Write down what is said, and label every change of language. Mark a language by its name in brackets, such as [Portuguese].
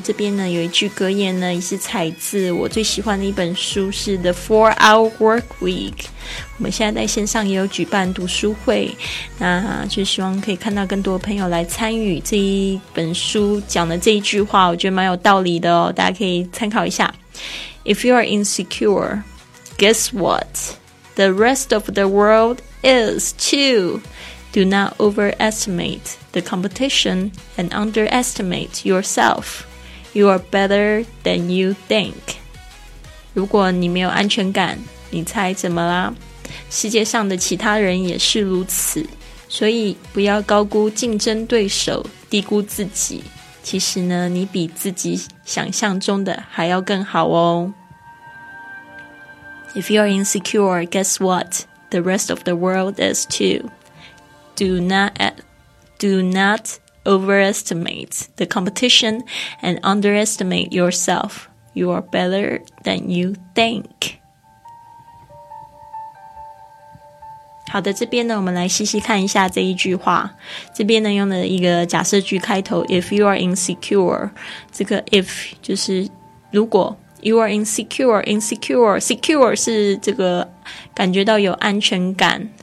[Chinese] 这边呢有一句格言呢，也是采自我最喜欢的一本书，是 The 4-Hour Work Week。我们现在在线上也有举办读书会，那就希望可以看到更多朋友来参与。这一本书讲的这一句话我觉得蛮有道理的哦，大家可以参考一下。 [English] If you are insecure, guess whatThe rest of the world is too. Do not overestimate the competition and underestimate yourself. You are better than you think. [Chinese] 如果你没有安全感，你猜怎么啦？世界上的其他人也是如此。所以不要高估竞争对手，低估自己。其实呢，你比自己想象中的还要更好哦。 [English] If you are insecure, guess what? The rest of the world is too. Do not overestimate the competition and underestimate yourself. You are better than you think. [Chinese] 好的，这边呢，我们来细细看一下这一句话。这边呢，用了一个假设句开头 ， [English] If you are insecure， [Chinese] 这个 if 就是如果。 [English] You are insecure. [Chinese] Secure 是这个感觉到有安全感。